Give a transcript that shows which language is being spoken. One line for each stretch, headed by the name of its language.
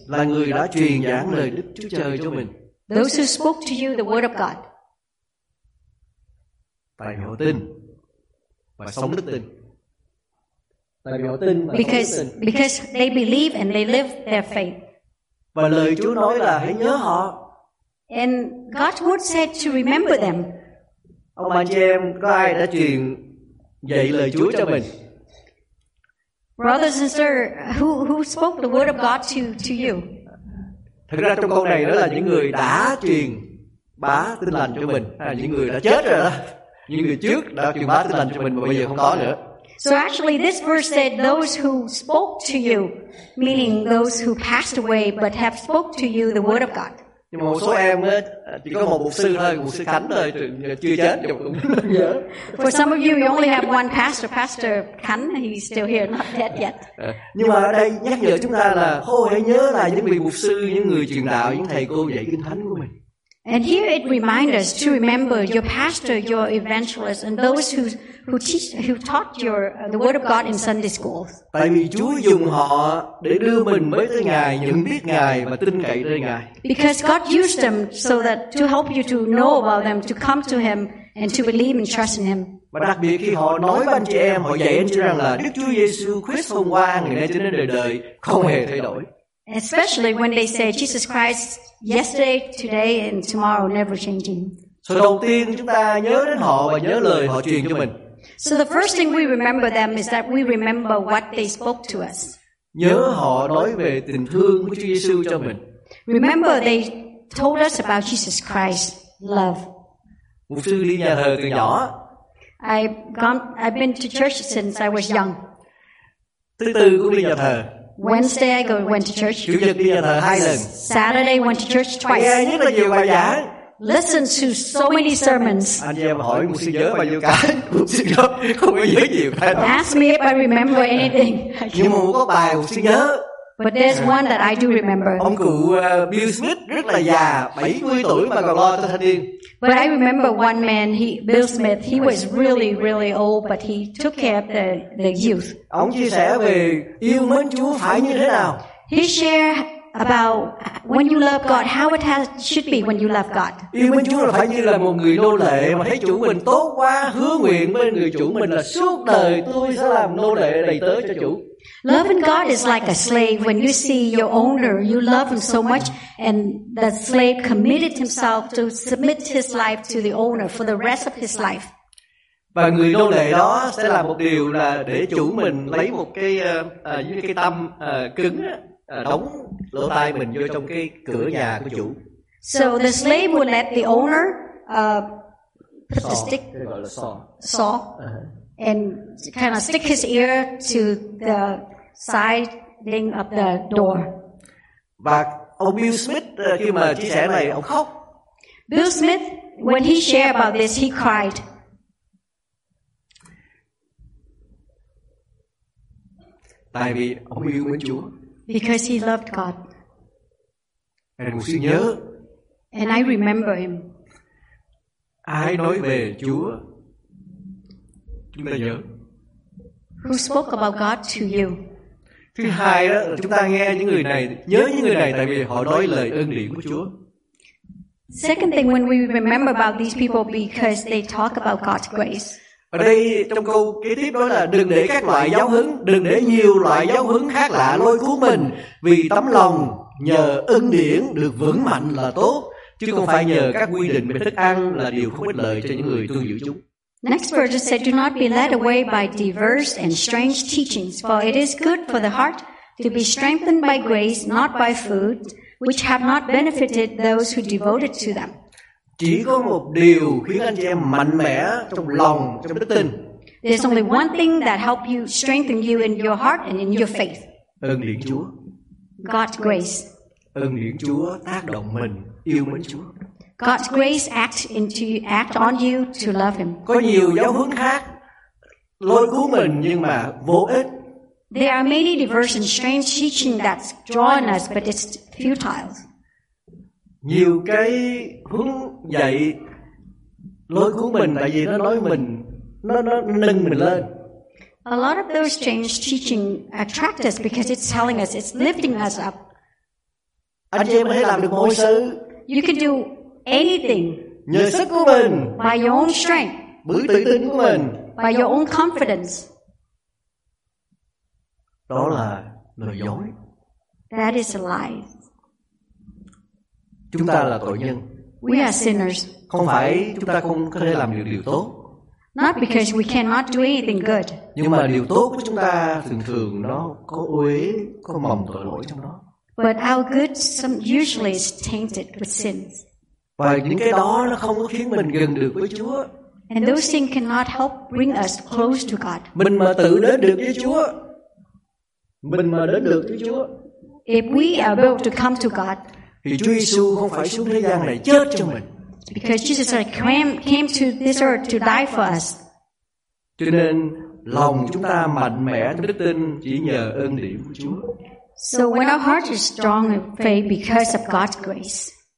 Vietnamese: Là người đã truyền giảng lời Đức Chúa Trời cho mình.
English: Those who spoke to you the word of God.
Vietnamese: Tại vì họ tin và sống đức tin.
English: Because they believe and they live their faith.
Vietnamese: Và lời Chúa nói là hãy nhớ họ.
English: And God's word said to remember them.
Vietnamese: Ông bà chị em có ai đã truyền dạy lời Chúa cho mình?
English: Brothers and sisters, who spoke the word of God to you?
Vietnamese: Thực ra trong câu này đó là những người đã truyền bá tin lành cho mình, hay là những người đã chết rồi đó. Những người trước đã truyền bá tin lành cho mình mà bây giờ không có nữa.
English: So actually this verse said those who spoke to you, meaning those who passed away but have spoke to you the word of God.
Vietnamese: Nhưng một số em chỉ có một mục sư thôi, mục sư Khánh thôi, chưa chết, cũng nhớ.
English: For some of you, you only have one pastor, Pastor Khánh, he's still here, not dead yet.
Vietnamese: Nhưng mà ở đây nhắc nhở chúng ta là, hãy nhớ lại những vị mục sư, những người truyền đạo, những thầy cô dạy kinh thánh của mình.
English: And here it reminds us to remember your pastor, your evangelist, and those who teach, who taught your the word of God in Sunday school.
Vietnamese: Tại vì Chúa dùng họ để đưa mình mới tới Ngài, nhận biết Ngài và tin cậy nơi Ngài.
English: Because God used them so that to help you to know about them, to come to Him and to believe and trust in Him.
Vietnamese: Và đặc biệt khi họ nói với anh chị em, họ dạy anh chị rằng là Đức Chúa Giêsu Christ hôm qua, ngày nay cho đến đời đời không hề thay đổi.
English: Especially when they say Jesus Christ yesterday, today and tomorrow never changing.
Vietnamese: So đầu tiên chúng ta nhớ đến họ và nhớ lời họ truyền cho mình.
English: So the first thing we remember them is that we remember what they spoke to us.
Vietnamese: Nhớ họ nói về tình thương của Chúa Giêsu cho mình.
English: Remember they told us about Jesus Christ's love.
Vietnamese: Mục sư đi nhà thờ từ nhỏ.
English: I've been to church since I was young.
Vietnamese: Thứ tư cũng đi nhà thờ.
English: Wednesday I went to church.
Vietnamese: Chủ nhật đi nhà thờ hai lần.
English: Saturday went to church twice.
Vietnamese: Nghe rất là nhiều bài giảng.
English: Listen to so many sermons.
Vietnamese: Anh em hỏi mục sư nhớ bao nhiêu cái? Mục sư nhớ không có nhớ nhiều cái đâu.
English: Ask me if I remember anything.
Vietnamese: Nhưng mà có bài mục sư nhớ.
English: But there's one that I do remember.
Vietnamese: Ông cụ Bill Smith rất là già, 70 tuổi mà còn lo cho thanh niên.
English: But I remember one man, Bill Smith. He was really, really old, but he took care of the youth.
Vietnamese: Ông chia sẻ về yêu mến Chúa phải như thế nào?
English: He shared about when you love God, how it should be when you love God.
Vietnamese: Yêu mến Chúa là phải như là một người nô lệ mà thấy chủ mình tốt quá, hứa nguyện với người chủ mình là suốt đời tôi sẽ làm nô lệ đầy tớ cho chủ.
English: Loving God is like a slave. When you see your owner, you love him so much, and the slave committed himself to submit his life to the owner for the rest of his life.
Vietnamese: Và người nô lệ đó sẽ làm một điều là để chủ mình lấy một cái như cái tâm cứng đóng lỗ tai mình vô trong cái cửa nhà của chủ.
English: So the slave would let the owner put the stick saw. And kind of stick his ear to the siding of the door.
Vietnamese: Và ông Bill Smith khi mà chia sẻ này ông khóc.
English: Bill Smith, when he shared about this, he cried.
Vietnamese: Tại vì ông yêu mến Chúa.
English: Because he loved God.
Vietnamese: Anh mục sư nhớ.
English: And I remember him.
Vietnamese: Ai nói về Chúa? Chúng ta nhớ.
English: Who spoke about God to you?
Vietnamese: Thứ hai đó, chúng ta nghe những người này, nhớ những người này tại vì họ nói lời ơn điển của Chúa.
English: Second thing when we remember about these people because they talk about God's grace.
Vietnamese: Ở đây trong câu kế tiếp đó là đừng để các loại giáo huấn, đừng để nhiều loại giáo huấn khác lạ lôi cuốn mình vì tấm lòng nhờ ơn điển được vững mạnh là tốt chứ không phải nhờ các quy định về thức ăn là điều không ích lợi cho những người tuân giữ chúng.
English: Next verse said, "Do not be led away by diverse and strange teachings, for it is good for the heart to be strengthened by grace, not by food, which have not benefited those who devoted to them."
Vietnamese: Chỉ có một điều khiến anh chị em mạnh mẽ trong lòng, trong đức tin.
English: There's only one thing that helps you strengthen you in your heart and in your faith.
Vietnamese: Ơn điển Chúa.
English: God's grace.
Vietnamese: Ơn điển Chúa tác động mình yêu mến Chúa.
English: God's grace act on you to love him.
Vietnamese: Có nhiều giáo huấn khác lôi cuốn mình nhưng mà vô ích.
English: There are many diverse and strange teaching that's drawn us but it's futile.
Vietnamese: Nhiều cái hướng dạy lôi cuốn mình tại vì nó nói mình nó nâng mình lên.
English: A lot of those strange teaching attract us because it's telling us it's lifting us up.
Vietnamese: Anh chị em có thể làm được mọi sự.
English: You can do anything.
Vietnamese: Nhờ sức của mình.
English: By your own strength.
Vietnamese: Bởi tự tin của mình.
English: By your own confidence.
Vietnamese: Đó là lời dối.
English: That is a lie.
Vietnamese: Chúng ta là tội nhân.
English: We are sinners.
Vietnamese: Không phải chúng ta không có thể làm được điều tốt.
English: Not because we cannot do anything good.
Vietnamese: Nhưng mà điều tốt của chúng ta thường thường nó có uế, có mầm tội lỗi trong đó.
English: But our good usually is tainted with sins.
Vietnamese: Và những cái đó nó không có khiến mình gần được với Chúa.
English: And those things cannot help bring us close to God.
Vietnamese: Mình mà tự đến được với Chúa. Mình mà đến được với Chúa.
English: If we are able to come to God.
Vietnamese: Thì Chúa Giêsu không phải xuống thế gian này chết cho mình.
English: Because Jesus came to this earth to die for us.
Vietnamese: Cho nên lòng chúng ta mạnh mẽ trong đức tin chỉ nhờ ơn điển của Chúa.
English: So when our heart is strong in faith because of God's grace.